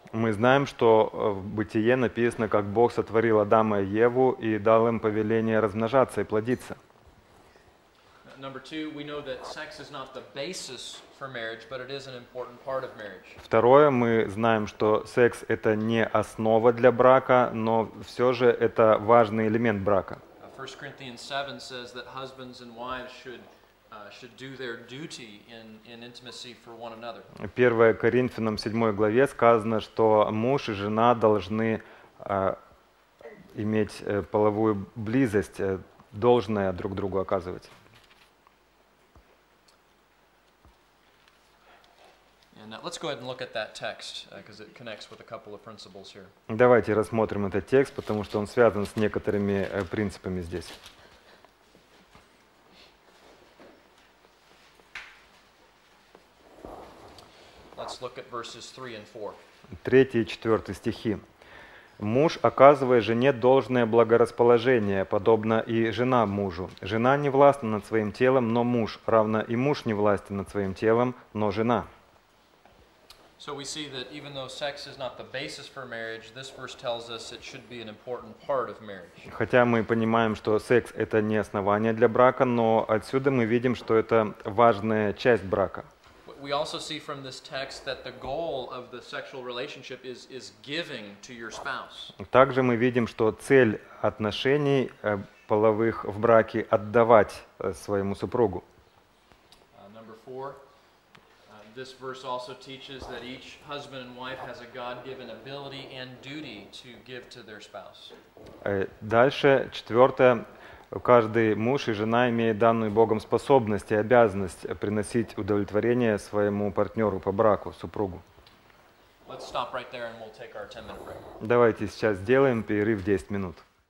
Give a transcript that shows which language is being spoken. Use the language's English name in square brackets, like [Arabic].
[Russian] Мы знаем, что в Бытие написано, как Бог сотворил Адама и Еву и дал им повеление размножаться и плодиться. [English] Number two, we know that sex is not the basis for marriage, but it is an important part of marriage. [Russian] Второе, мы знаем, что секс это не основа для брака, но все же это важный элемент брака. [English] 1 Corinthians 7 says that husbands and wives should do their duty in intimacy for one another. [Russian] 1 Коринфянам 7 главе сказано, что муж и жена должны иметь половую близость, должное друг другу оказывать. [English] Now, let's go ahead and look at that text because it connects with a couple of principles here. [Russian] Давайте рассмотрим этот текст, потому что он связан с некоторыми принципами здесь. [English] Let's look at verses 3 and 4. [Russian] Третий и четвертый стихи. Муж оказывает жене должное благорасположение, подобно и жена мужу. Жена не властна над своим телом, но муж, равно и муж не властен над своим телом, но жена. [English] So we see that even though sex is not the basis for marriage, this verse tells us it should be an important part of marriage. [Russian] Хотя мы понимаем, что секс это не основание для брака, но отсюда мы видим, что это важная часть брака. [English] We also see from this text that the goal of the sexual relationship is giving to your spouse. [Russian] Также мы видим, что цель отношений половых в браке отдавать своему супругу. [English] Number four. This verse also teaches that each husband and wife has a God-given ability and duty to give to their spouse. [Russian] Дальше, четвертое, каждый муж и жена имеет данную Богом способность и обязанность приносить удовлетворение своему партнеру по браку, супругу. [English] Let's stop right there and we'll take our 10-minute break. [Russian] Давайте сейчас сделаем перерыв 10 минут.